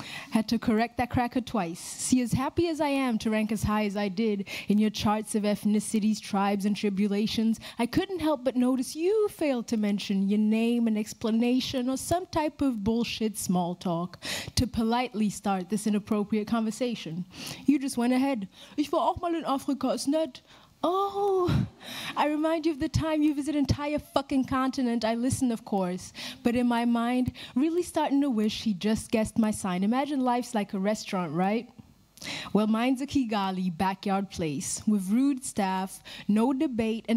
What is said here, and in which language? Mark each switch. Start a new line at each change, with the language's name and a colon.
English: Had to correct that cracker twice. See, as happy as I am to rank as high as I did in your charts of ethnicities, tribes, and tribulations, I couldn't help but notice you failed to mention your name, an explanation, or some type of bullshit small talk to politely start this inappropriate conversation. You just went ahead.
German: Ich war auch mal in Afrika, ist nett.
English: Oh, I remind you of the time you visit entire fucking continent. I listen, of course, but in my mind, really starting to wish he just guessed my sign. Imagine life's like a restaurant, right? Well, mine's a Kigali backyard place with rude staff, no debate.